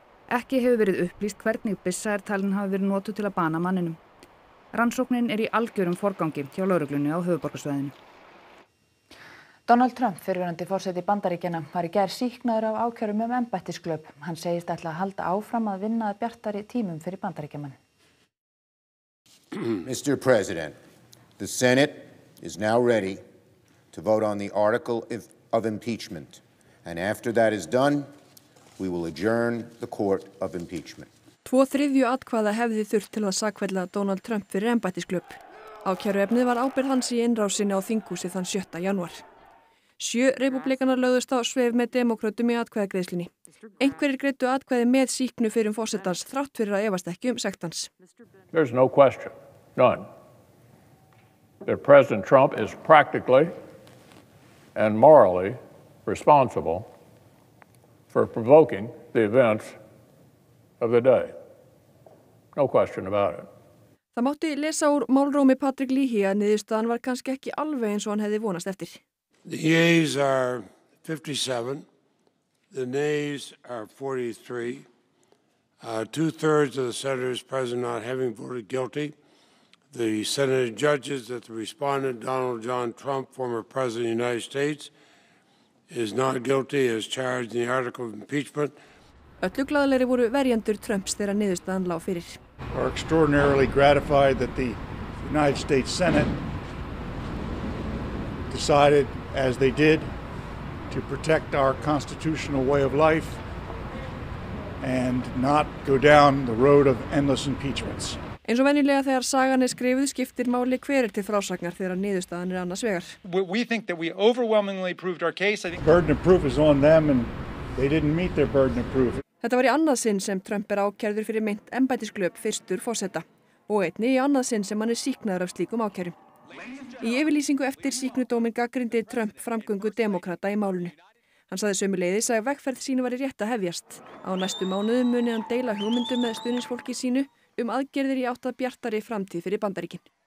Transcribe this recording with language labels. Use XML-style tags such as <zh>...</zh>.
<is>Ekki hefur verið upplýst hvernig byssa er talin hafi verið notuð til að bana manninum. Rannsóknin í algjörum forgangi hjá lögreglunni á höfuðborgarsvæðinu. Donald Trump, fyrrverandi forseti Bandaríkjanna, var í gær sýknaður af ákærum embættisglöp. Hann segist ætla að halda áfram að vinna að bjartari tímum fyrir Bandaríkjamenn.</is> <en>Mr. President, the Senate is now ready to vote on the article of impeachment. And after that is done, we will adjourn the court of impeachment.</en> <is>2/3 atkvæða hefði þurft til að sakfella Donald Trump fyrir embættisglöp. Ákæruefnið var ábyrgð hans í innrásinni á þinghúsið þann 7. janúar. 7 republikanar lögðust á sveif með demókrötum í atkvæðagreiðslinni. Einhverjir greiddu atkvæði með sýknu fyrir forsetans þrátt fyrir að efast ekki sekt hans.</is> <en>There's no question, none, that President Trump is practically and morally responsible for provoking the events of the day. No question about it.</en> <is>Það mátti lesa úr málrómi Patrick Leahy að niðurstaðan var kannski ekki alveg eins og hann hefði vonast eftir.</is> <en>The yeas are 57, the nays are 43, two-thirds of the senators present not having voted guilty. The Senate judges that the respondent, Donald John Trump, former president of the United States, is not guilty as charged in the article of impeachment.</en> <is>Öllu glaðleiri voru verjendur Trumps þegar niðurstaðan lá fyrir.</is> <en>Are extraordinarily gratified that the United States Senate decided as they did to protect our constitutional way of life and not go down the road of endless impeachments.</en> <is>Eins og venjulega þegar sagan skrifuð skiptir máli hver til frásagnar þegar niðurstaðan annars vegar.</is> <en>We think that we overwhelmingly proved our case. I think burden of proof is on them and they didn't meet their burden of proof.</en> <is>Þetta var í annað sinn sem Trump ákærður fyrir meint embættisglöp fyrstur forseta og einnig í annað sinn sem hann sýknaður af slíkum ákærum. Í yfirlýsingu eftir sýknudóminn gagnrýndi Trump framgöngu demókrata í málinu. Hann sagði sömuleiðis að vegferð sínu væri rétt að hefjast. Á næstu mánuði muni hann deila hugmyndum með stuðningsfólki sínu aðgerðir í átt að bjartari framtíð fyrir Bandaríkin.</is>